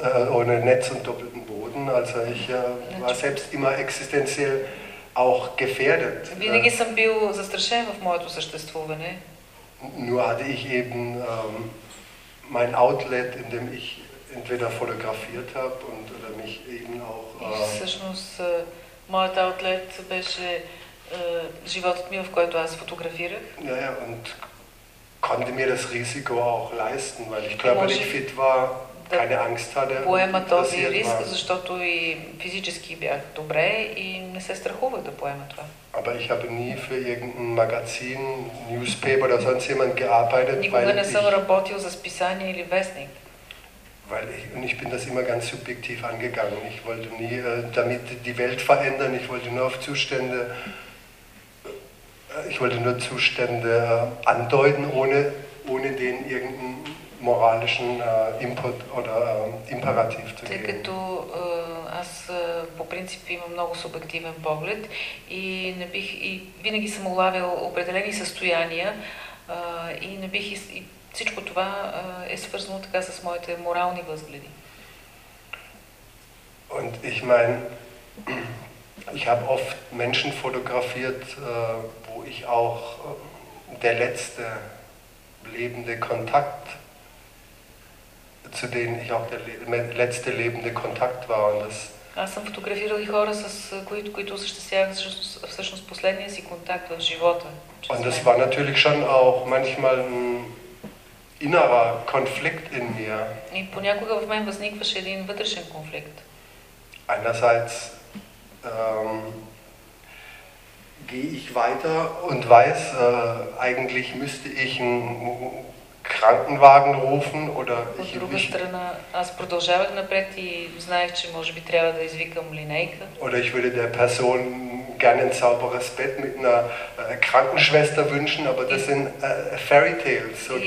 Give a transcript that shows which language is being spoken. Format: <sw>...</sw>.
<de>Ohne Netz und doppelten Boden. Also ich war selbst immer existenziell auch gefährdet.</de> <bg>Винаги съм бил застрашен в моето съществуване.</bg> <de>Nur hatte ich eben mein Outlet, in dem ich entweder fotografiert habe und oder mich eben auch.</de> <bg>Всъщност моят outlet беше животът ми, в който аз фотографирах.</bg> <de>Ja, ja, und konnte mir das Risiko auch leisten, weil ich körperlich fit war, keine Angst hatte.</de> <bg>Поема този риск, защото и физически бях добре и не се страхувах да поема това.</bg> <de>Aber ich habe nie für irgendein Magazin, Newspaper oder sonst jemand gearbeitet, weil ich...</de> <bg>Никога не съм работил за списание или вестник.</bg> <de>Und ich bin das immer ganz subjektiv angegangen. Ich wollte nie damit die Welt verändern, ich wollte nur auf Zustände... Ich wollte nur Zustände andeuten, ohne den irgendeinen moralischen Input oder Imperativ zu geben.</de> <bg>Като аз по принцип имам много субективен поглед и не бих и винаги съм улавял определени състояния и не бих и всичко това е свързано така с моите морални възгледи.</bg> <de>Und ich meine, ich habe oft Menschen fotografiert, wo ich auch der letzte lebende Kontakt, zu denen ich auch der letzte lebende Kontakt war. Und das</de> <bg>аз съм фотографирал и хора, с които осъществявах всъщност последния си контакт в живота.</bg> <de>Und das war natürlich schon auch manchmal ein innerer Konflikt in mir.</de> <bg>И понякога в мен възникваше един вътрешен конфликт.</bg> <de>Einerseits gehe ich weiter und weiß, eigentlich müsste ich einen Krankenwagen rufen oder ich. Von der anderen Seite, ich</de> <bg>продължавах напред и знаех, че може би трябва да извикам линейка.</bg> <de>Oder ich würde der Person gerne ein sauberes Bett mit einer Krankenschwester wünschen, aber das sind</de> <en>Fairy Tales.</en>